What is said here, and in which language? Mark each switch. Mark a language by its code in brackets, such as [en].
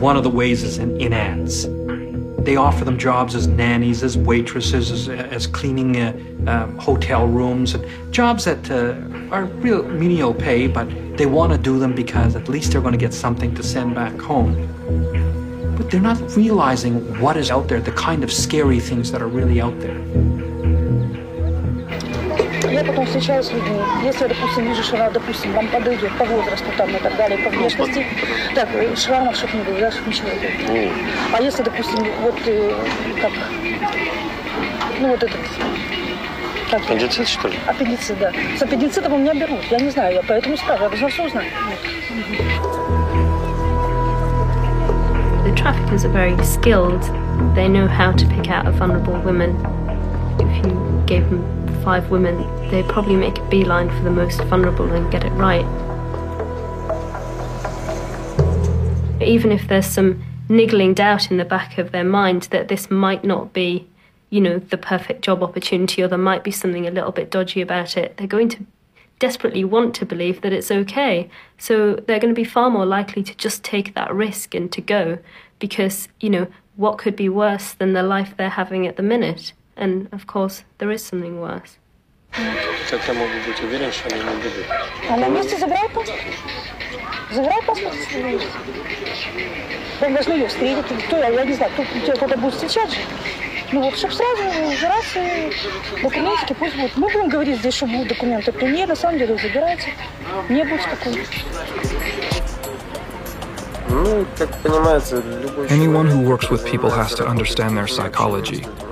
[en] One of the ways is in ads. They offer them jobs as nannies, as waitresses, as cleaning hotel rooms, and jobs that are real menial pay, but they want to do them because at least they're going to get something to send back home. But they're not realizing what is out there, the kind of scary things that are really out there. [ru] Я потом встречаюсь с людьми. Если я, допустим, вижу, что она, допустим, вам подойдет по возрасту там и так далее, по внешности, так, шрамов, чтоб не было, да, чтоб ничего не было. А если, допустим, вот как, ну вот этот. Как, аппендицит, что ли? Аппендицит, да. С аппендицитом у меня берут. Я не знаю, я поэтому скажу, я должна все узнать. [en] The traffickers are very skilled. They know how to pick out a vulnerable woman. If you gave them 5 women, they probably make a beeline for the most vulnerable and get it right. Even if there's some niggling doubt in the back of their mind that this might not be, you know, the perfect job opportunity, or there might be something a little bit dodgy about it, they're going to desperately want to believe that it's okay. So they're going to be far more likely to just take that risk and to go, because, you know, what could be worse than the life they're having at the minute? And of course, there is something worse. [ru] Как я могу быть уверен, что они не будут? А на месте забирай паспорт. Забирай паспорт. Он должен ее встретить. Кто, я не знаю, кто тебя будет встречать же. Ну вот, чтобы сразу же раз и документики пусть будут. Мы будем говорить здесь, что будут документы. При мне, на самом деле, забирайте. Мне будет спокойно. Ну, как понимается, любой... [en] Anyone who works with people has to understand their psychology.